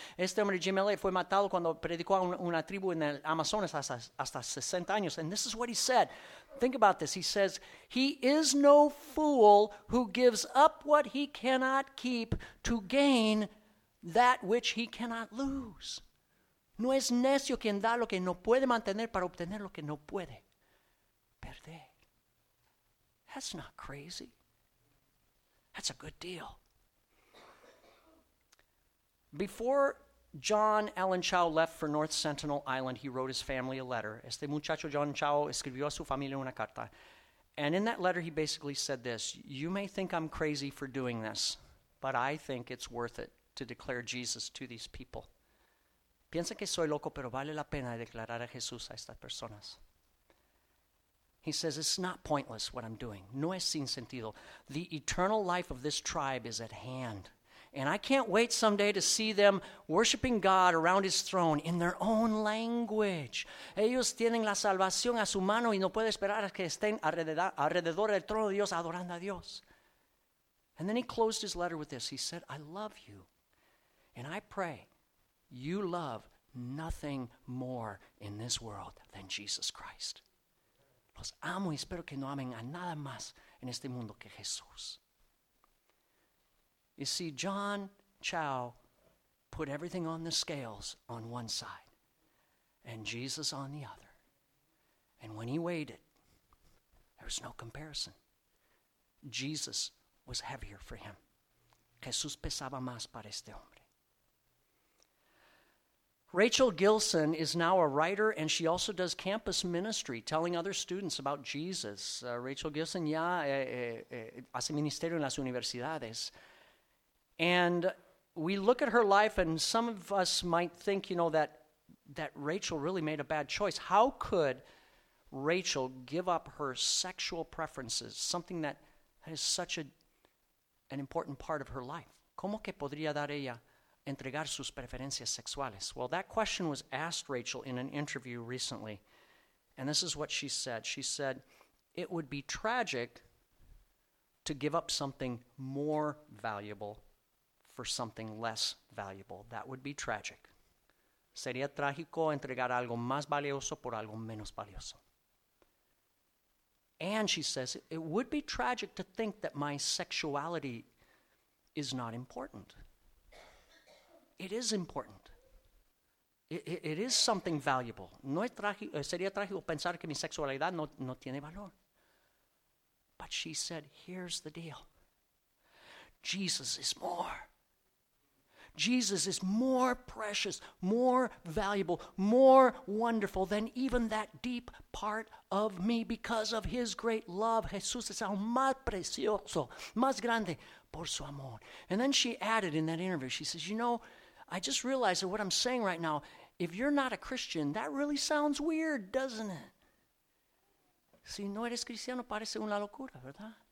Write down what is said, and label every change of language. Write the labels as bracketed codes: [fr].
[es] Este hombre, Jim Elliot, fue matado cuando predicó a una tribu en el Amazonas hasta 60 años. [en] And this is what he said. Think about this. He says, he is no fool who gives up what he cannot keep to gain that which he cannot lose. [es] No es necio quien da lo que no puede mantener para obtener lo que no puede perder. [en] That's not crazy. That's a good deal. Before John Allen Chau left for North Sentinel Island, he wrote his family a letter. [es] Este muchacho John Chau escribió a su familia una carta. [en] And in that letter, he basically said this, you may think I'm crazy for doing this, but I think it's worth it to declare Jesus to these people. [es] Piensa que soy loco, pero vale la pena declarar a Jesús a estas personas. [en] He says, it's not pointless what I'm doing. [es] No es sin sentido. [en] The eternal life of this tribe is at hand. And I can't wait someday to see them worshiping God around his throne in their own language. [es] Ellos tienen la salvación a su mano y no puede esperar a que estén alrededor del trono de Dios adorando a Dios. [en] And then he closed his letter with this. He said, I love you. And I pray you love nothing more in this world than Jesus Christ. [es] Los amo y espero que no amen a nada más en este mundo que Jesús. [en] You see, John Chau put everything on the scales on one side and Jesus on the other. And when he weighed it, there was no comparison. Jesus was heavier for him. [es] Jesús pesaba más para este hombre. [en] Rachel Gilson is now a writer, and she also does campus ministry, telling other students about Jesus. [es] Rachel Gilson ya hace ministerio en las universidades. [en] And we look at her life, and some of us might think, you know, that Rachel really made a bad choice. How could Rachel give up her sexual preferences, something that is such an important part of her life? [es] ¿Cómo que podría dar ella entregar sus preferencias sexuales? [en] Well, that question was asked Rachel in an interview recently, and this is what she said. She said, it would be tragic to give up something more valuable for something less valuable. That would be tragic. [es] Sería trágico entregar algo más valioso por algo menos valioso. [en] And she says, it would be tragic to think that my sexuality is not important. It is important. It is something valuable. [es] Sería trágico pensar que mi sexualidad no tiene valor. [en] But she said, here's the deal. Jesus is more. Jesus is more precious, more valuable, more wonderful than even that deep part of me because of his great love. [es] Jesús es aún más precioso, más grande por su amor. [en] And then she added in that interview, she says, you know, I just realized that what I'm saying right now, if you're not a Christian, that really sounds weird, doesn't it? [es] Si no eres cristiano, parece una locura, ¿verdad?